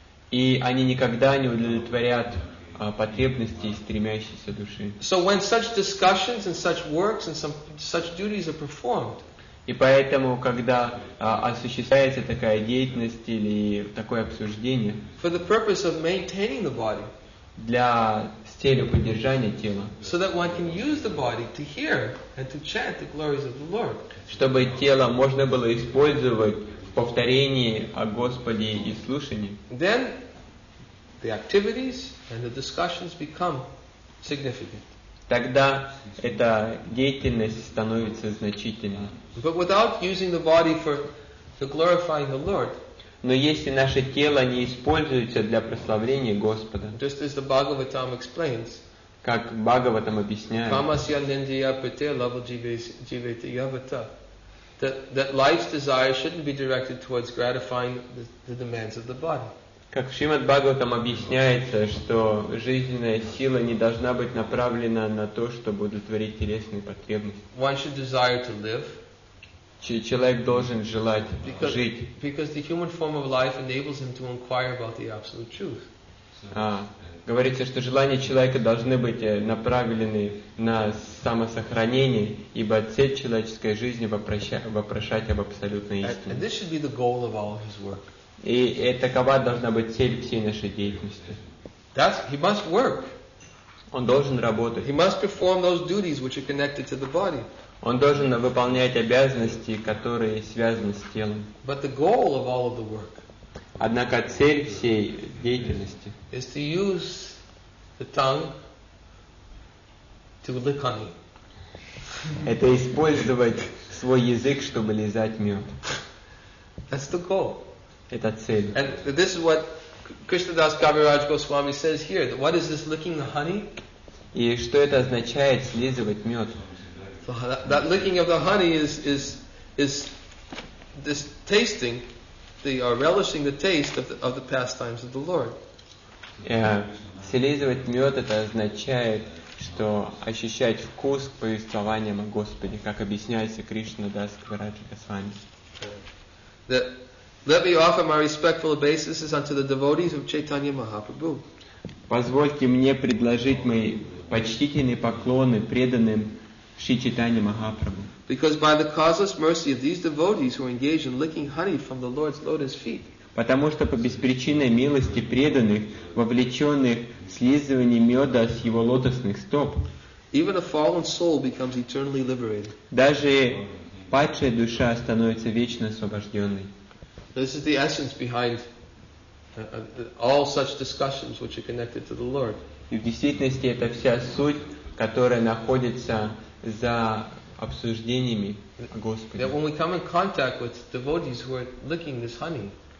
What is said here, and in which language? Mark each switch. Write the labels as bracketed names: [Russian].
[Russian] И они никогда не удовлетворят потребности стремящейся души. [English] So when such discussions and such works and such duties are performed, [Russian] и поэтому, когда осуществляется такая деятельность или такое обсуждение, [English] for the purpose of maintaining the body, [Russian] для целью поддержания тела, [English] so that one can use the body to hear and to chant the glories of the Lord, [Russian] чтобы тело можно было использовать в повторении о Господе и слушании, [English] then the activities and the discussions become significant. [Russian] Тогда эта деятельность становится значительной. [English] But without using the body for glorifying the Lord. [Russian] Но если наше тело не используется для прославления Господа, [English] just as the Bhagavatam explains, [Russian] как Бхагаватам объясняет, [Sanskrit] Kamasya Nindaya Prate Lava Jivete Yavata, [English] that life's desire shouldn't be directed towards gratifying the demands of the body. [Russian] Как Шримад Бхагаватам объясняется, что жизненная сила не должна быть направлена на то, чтобы удовлетворить телесные потребности. [English] One should desire to live. [Russian] Человек должен желать жить. [English] Because the human form of life enables him to inquire about the absolute truth. [Russian] Говорится, что желания человека должны быть направлены на самосохранение, ибо цель человеческой жизни вопрошать об абсолютной истине. [English] And this should be the goal of all his work. [Russian] И такова должна быть цель всей нашей деятельности. [English] That's, he must work. [Russian] Он должен работать. [English] He must perform those duties which are connected to the body. [Russian] Он должен выполнять обязанности, которые связаны с телом. [English] But the goal of all of the work, [Russian] однако цель всей деятельности, [English] is to use the tongue to lick honey. [Russian] Это использовать свой язык, чтобы лизать мед. [English] That's the goal. [Russian] Это цель. [English] And this is what Krishnadas Kaviraj Goswami says here. That what is this licking the honey? [Russian] И что это означает слизывать мед? [English] So that licking of the honey is this tasting, they are relishing the taste of the pastimes of the Lord. [Russian] Слизывать мед — это означает, что ощущать вкус повествования о Господе, как объясняется Кришна Дас Кавираджа Госвами. [English] Let me offer my respectful obeisances unto the devotees of Chaitanya Mahaprabhu. [Russian] Позвольте мне предложить мои почтительные поклоны преданным Шри Чайтанья Махапрабху. [English] Because by the causeless mercy of these devotees who are engaged in licking honey from the Lord's lotus feet. [Russian] Потому что по беспричинной милости преданных, вовлеченных в слизывание меда с его лотосных стоп, [English] even a fallen soul becomes eternally liberated. [Russian] Даже падшая душа становится вечно освобожденной. [English] This is the essence behind all such discussions which are connected to the Lord. [Russian] И в действительности это вся суть, которая находится за обсуждениями о Господе. [English] That when we come in contact with devotees who are licking this honey,